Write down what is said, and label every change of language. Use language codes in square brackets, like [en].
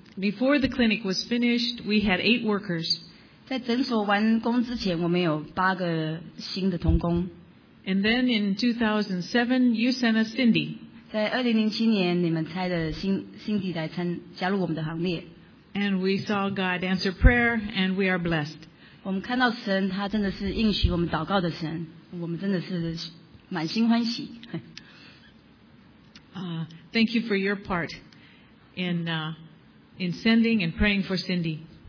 [en] Before the clinic was finished, we had 8 workers. [zh] 在诊所完工之前，我们有八个新的同工. [en] And then in 2007, you sent us Cindy. [zh] 在2007年，你们差的新Cindy来参加入我们的行列. [en] And we saw God answer prayer, and we are blessed. [zh] 我们看到神，他真的是应许我们祷告的神，我们真的是满心欢喜。 [en] Thank you for your part in sending and praying for Cindy.